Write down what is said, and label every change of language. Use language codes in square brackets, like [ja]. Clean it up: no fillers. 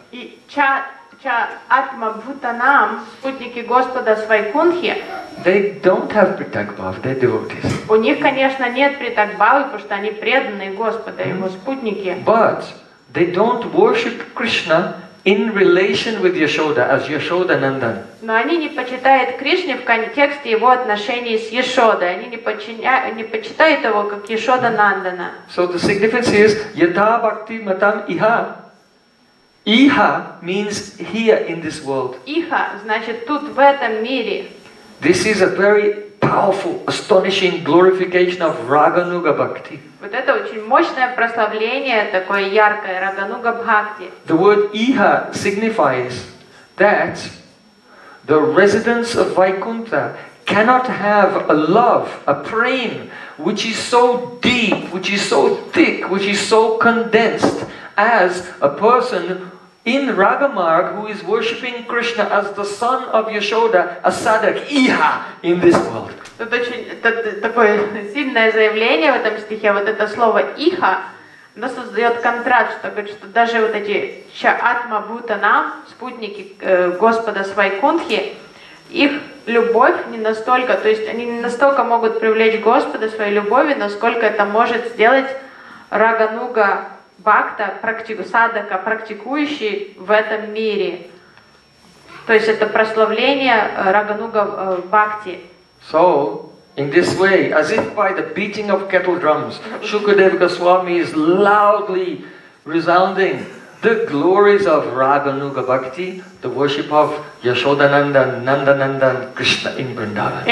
[ru] И атма бхутанам, спутники Господа с Вайкунхи, [en] they don't have pritak bhava, they're devotees. [ru] У них, конечно, нет pritak bhava, потому что они преданные Господа, его спутники. [en] But they don't worship Krishna in relation with Yashoda, as Yashoda Nandan. [ru] Но они не почитают Кришну в контексте его отношений с Яшодой. Они не почитают его как Яшода Нандана. [en] So the significance is yata bhakti matam iha. Iha means here in this world. [ru] Iha значит тут, в этом мире. [en] This is a very powerful, astonishing glorification of Рагануга Бхакти. [ru] Вот это очень мощное прославление, такое яркое, Рагануга Бхакти. [en] The word iha signifies that the residents of Vaikuntha cannot have a love, a prem, which is so deep, which is so thick, which is so condensed as a person in Ragamarg who is worshipping Krishna as the son of Yashoda, a sadhak, iha, in this world. [ru] Это очень такое сильное заявление в этом стихе, вот это слово иха, оно создает контраст, что говорит, что даже вот эти чаатма бутанам, спутники Господа с Вайкунтхи, их любовь не настолько, то есть они не настолько могут привлечь Господа своей любовью, насколько это может сделать Рагануга Бхакта, садака, практикующий в этом мире. То есть это прославление Рагануга Бхакти. [en] So, in this way, as if by the beating of kettle drums, Shukadeva Goswami is loudly resounding the glories of Raganuga Bhakti, the worship of Yashoda Nandan, Nanda Nandan, Krishna in Vrindavan.